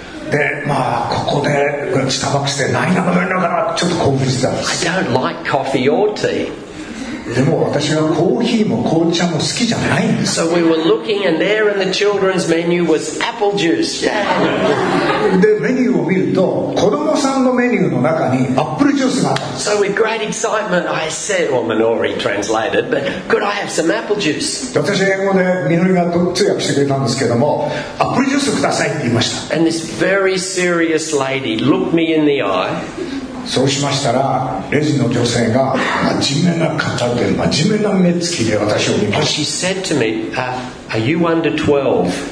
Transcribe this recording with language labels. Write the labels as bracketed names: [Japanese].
[Japanese] でまあ、ここでスターバックスで何が飲めるのかなちょっと興奮してたんです。 [English] I don't like coffee or tea. [Japanese] でも私はコーヒーも紅茶も好きじゃないんです。 [English] So we were looking and there in the children's menu was apple juice. [Japanese] でメニューを見ると子供さんのメニューの中にアップルジュースがあった。 [English] So with great excitement I said, well Minori translated, but could I have some apple juice? [Japanese] 私英語でみのりが通訳してくれたんですけどもアップルジュースくださいって言いました。 [English] And this very serious lady looked me in the eye. [Japanese] そうしましたらレジの女性が真面目な方で真面目な目つきで私を見ました。 [English] And she said to me, are you under 12?